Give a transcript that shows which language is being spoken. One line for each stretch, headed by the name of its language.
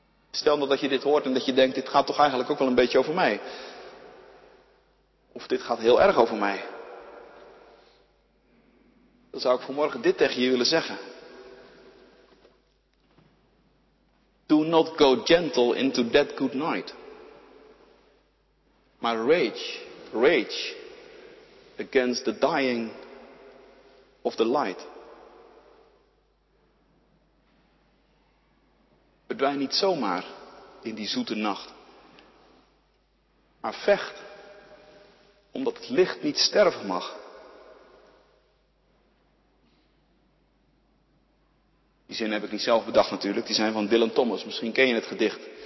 Dutch: Stel nou dat je dit hoort en dat je denkt, dit gaat toch eigenlijk ook wel een beetje over mij. Of dit gaat heel erg over mij. Dan zou ik vanmorgen dit tegen je willen zeggen.
English: Do not go gentle into that good night. Maar rage against the dying of the light.
Dutch: Verdwijn niet zomaar in die zoete nacht. Maar vecht, omdat het licht niet sterven mag. Die zin heb ik niet zelf bedacht natuurlijk. Die zijn van Dylan Thomas. Misschien ken je het gedicht.